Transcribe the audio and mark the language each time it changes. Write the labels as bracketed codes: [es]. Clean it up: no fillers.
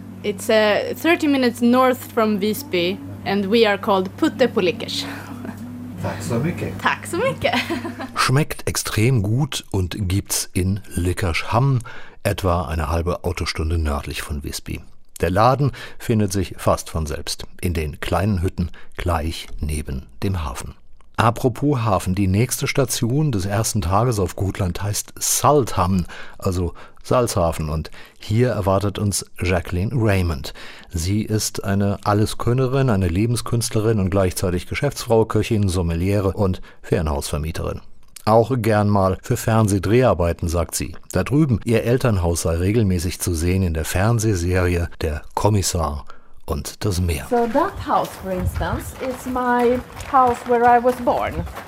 [en] It's 30 minutes north from Visby and we are called Putte på Lickish. [sv] Tack så mycket. Tack så mycket. [de] Schmeckt extrem gut und gibt's in Lickishamn, etwa eine halbe Autostunde nördlich von Visby. Der Laden findet sich fast von selbst, in den kleinen Hütten gleich neben dem Hafen. Apropos Hafen, die nächste Station des ersten Tages auf Gotland heißt Salthamn, also Salzhafen. Und hier erwartet uns Jacqueline Raymond. Sie ist eine Alleskönnerin, eine Lebenskünstlerin und gleichzeitig Geschäftsfrau, Köchin, Sommeliere und Ferienhausvermieterin. Auch gern mal für Fernsehdreharbeiten, sagt sie. Da drüben, ihr Elternhaus sei regelmäßig zu sehen in der Fernsehserie Der Kommissar und das Meer. [en] So that house, for instance, is my house where I was born.